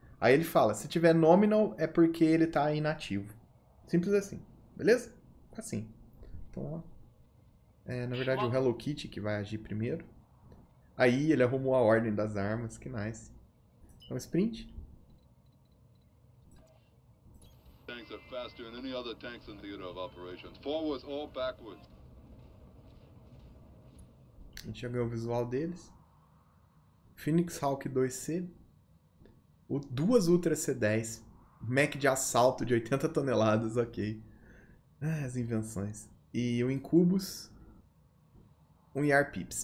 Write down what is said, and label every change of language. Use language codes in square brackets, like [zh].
[pt] Aí ele fala: se tiver nominal, é porque ele tá inativo. Simples assim. Beleza? Assim. Então, ó. É, na verdade, o Hello Kitty que vai agir primeiro. Aí ele arrumou a ordem das armas, que nice. Então, sprint. [en] Tanks are faster than any other tanks in theater of operations. Forwards or backwards. [pt] A gente já ganhou o visual deles. Phoenix Hawk 2C. Duas Ultra C10. Mech de assalto de 80 toneladas, ok. Ah, as invenções. E o Incubus. Um Yarpips.